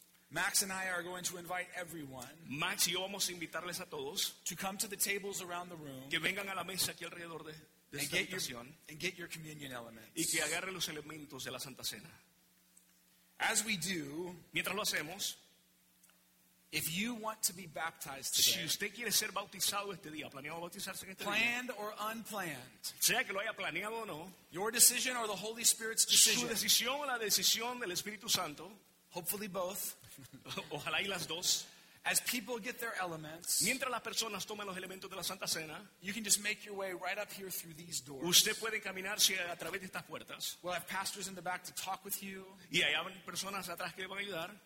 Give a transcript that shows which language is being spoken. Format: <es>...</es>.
<en>Max and I are going to invite everyone,</en> <es>Max y yo vamos a invitarles a todos,</es> <en>to come to the tables around the room,</en> <es>que vengan a la mesa aquí alrededor de esta habitación,</es> <en>and get your communion elements,</en> <es>y que agarren los elementos de la Santa Cena.</es> <en>As we do,</en> <es>mientras lo hacemos,</es> <en>if you want to be baptized today,</en> <es>si usted quiere ser bautizado este día, planeado bautizarse en este</es> <en>planned</en> <es>día,</es> <en>or unplanned,</en> <es>sea que lo haya planeado o no,</es> <en>your decision or the Holy Spirit's decision,</en> <es>su decisión o la decisión del Espíritu Santo,</es> <en>hopefully both,</en> <es>ojalá y las dos.</es> <en>As people get their elements,</en> <es>mientras las personas toman los elementos de la Santa Cena,</es> <en>you can just make your way right up here through these doors.</en> <es>Usted puede caminarse a través de estas puertas.</es> <en>We'll have pastors in the back to talk with you.</en> <es>Y hay personas atrás que le van a ayudar.</es>